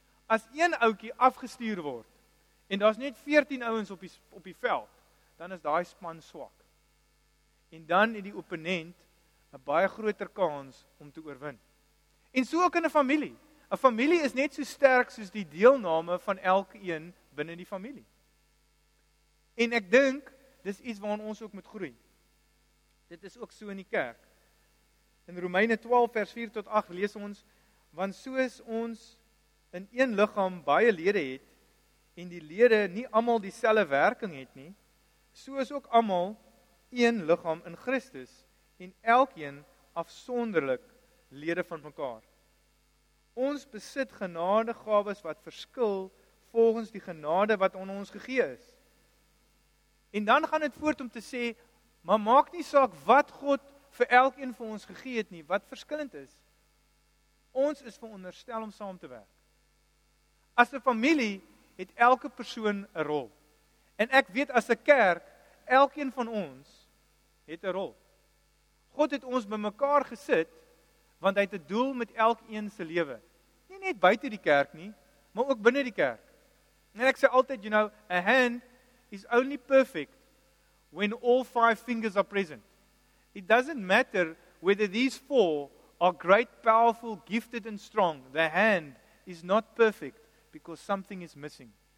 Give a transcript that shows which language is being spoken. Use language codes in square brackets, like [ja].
[af] As een ouetjie afgestuur word, en daar is net 14 ouens op die veld, dan is daai span swak. En dan het die opponent 'n baie groter kans om te oorwin. En so ook in 'n familie. 'N Familie is net so sterk soos die deelname van elkeen binne die familie. En ek dink, dis iets waarin ons ook moet groei. Dit is ook so in die kerk. In Romeine 12 vers 4 tot 8 lees ons, want soos ons in een liggaam baie lede het, en die lede nie almal dieselfde werking het nie, so is ook almal een liggaam in Christus, en elkeen afsonderlik lede van mekaar. Ons besit genadegawes wat verskil volgens die genade wat onder ons gegee is. En dan gaan dit voort om te sê, maar maak nie saak wat God vir elkeen van ons gegee het nie, wat verskillend is. Ons is veronderstel om saam te werk. As 'n familie het elke persoon 'n rol. En ek weet as 'n kerk, elkeen van ons het 'n rol. God het ons bymekaar gesit, want hy het 'n doel met elkeen se lewe. Nie net buite die kerk nie, maar ook binne die kerk. En ek sê altyd, [en] you know, a hand is only perfect when all five fingers are present. It doesn't matter whether these four are great, powerful, gifted and strong. The hand is not perfect because something is missing.